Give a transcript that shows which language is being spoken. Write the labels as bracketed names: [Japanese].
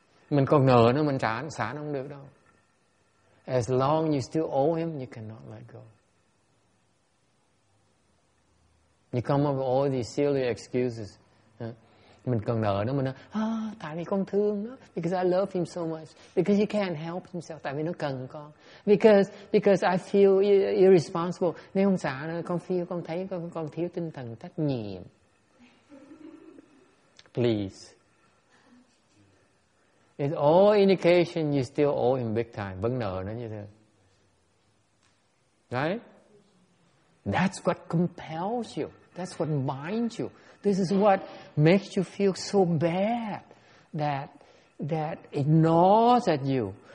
[Vietnamese] Mình còn nợ nó, mình trả xả nó không được đâu. [English] As long you still owe him, you cannot let go. You come up with all these silly excuses. [Vietnamese] Mình còn nợ nó, mình nói, tại vì con thương nó, [English] because I love him so much, because he can't help himself, [Vietnamese] tại vì nó cần con, [English] because I feel irresponsible, [Vietnamese] nếu không xả nó, con thấy con thiếu tinh thần trách nhiệm. [English] Please. It's all indication you still owe him big time, [Vietnamese] vẫn nợ nó như thế. [English] Right? That's what compels you, that's what binds you. This is what makes you feel so bad that it gnaws at you.